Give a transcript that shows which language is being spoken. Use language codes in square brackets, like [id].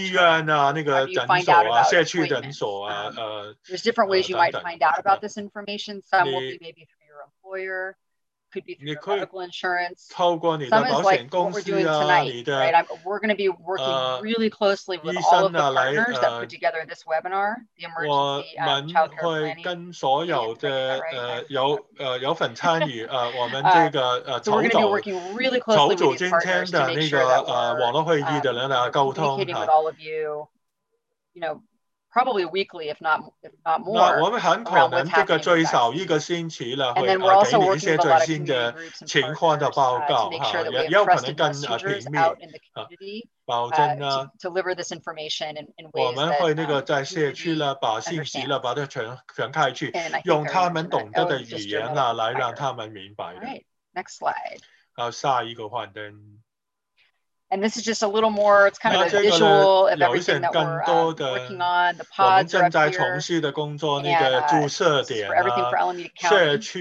[zh] 医院啊,那个诊所啊, 社区诊所啊, [en] there's different ways you might find out about this information. Some will be maybe through your employer. Could be through your medical insurance. Some is like what we're doing tonight, right? We're going to be working really closely with all of the partners that put together this webinar, the emergency child care planning. So we're going to be working really closely with these partners to make sure that we're communicating with all of you, you know, probably weekly, if not more, around what's happening with that. And then we're also working with a lot of community groups and partners to make sure that we have trusted messengers out in the community. [zh] 保证呢， [en] deliver this information in ways [zh] 我们会那个在社区呢，把信息呢，把它传开去，用他们懂得的语言呢，来让他们明白。 [en] Right, next slide. [zh] 好，下一个幻灯。 [en] And this is just a little more, it's kind of a visual of everything that we're working on. The pods are up here. And this is for everything for Alameda County.